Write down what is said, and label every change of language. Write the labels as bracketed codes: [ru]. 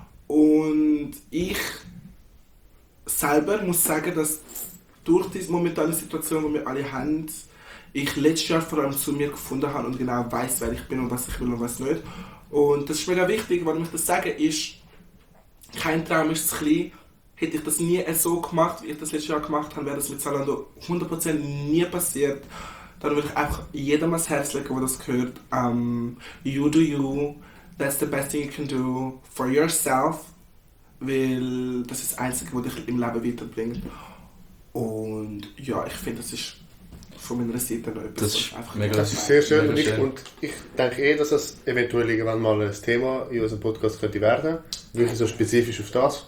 [de] Und ich selber muss sagen, dass durch diese momentane Situation, die wir alle haben, ich letztes Jahr vor allem zu mir gefunden habe und genau weiss, wer ich bin und was ich will und was nicht. Und das ist mega wichtig, warum ich das sage, ist, kein Traum ist zu klein. Hätte ich das nie so gemacht, wie ich das letztes Jahr gemacht habe, wäre das mit Zalando 100% nie passiert. Dann würde ich einfach jedem ans Herz legen, der das gehört. [en] You do you. That's the best thing you can do for yourself. [de] Weil das ist das Einzige, was dich im Leben weiterbringt. Und ja, ich finde, das ist... von meiner Seite Leute. Das ist mega, das ist sehr schön. Und ich denke eh, dass das eventuell irgendwann mal ein Thema in unserem Podcast könnte werden. Wirklich so spezifisch auf das.